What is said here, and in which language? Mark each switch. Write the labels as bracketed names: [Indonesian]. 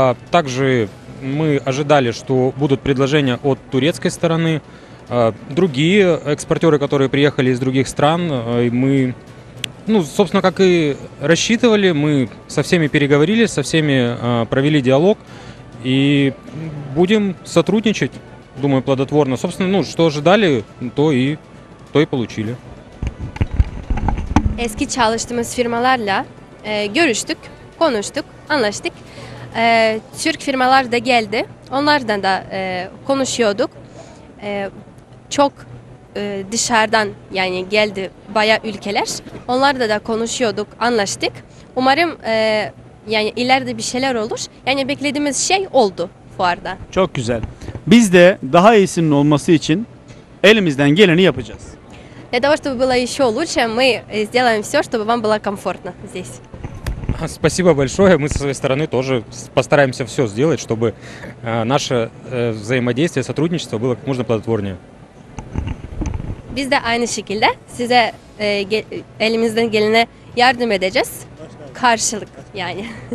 [Russian] Также мы ожидали, что будут предложения от турецкой стороны, другие экспортеры, которые приехали из других стран, и мы, ну, собственно, как и рассчитывали, мы со всеми переговорили, со всеми провели диалог. И будем сотрудничать, думаю, плодотворно. Собственно, ну, что ожидали, то и получили. [Turkish] Eski çalıştığımız firmalarla görüştük, konuştuk, anlaştık. Türk firmalar da geldi. Onlardan da konuşuyorduk. Çok dışarıdan yani geldi bayağı ülkeler. Onlarla da konuşuyorduk, anlaştık. Umarım yani ileride bir şeyler olur. Yani beklediğimiz şey oldu fuarda. Çok güzel. Biz de daha iyisinin olması için elimizden geleni yapacağız. [Russian] Для того, чтобы было еще лучше, мы сделаем все, чтобы вам было комфортно здесь. Спасибо большое. Мы со своей стороны тоже постараемся все сделать, чтобы наше взаимодействие, сотрудничество было как можно плодотворнее. [Turkish] biz de aynı şekilde size elimizden gelene yardım edeceğiz. Karşılık yani.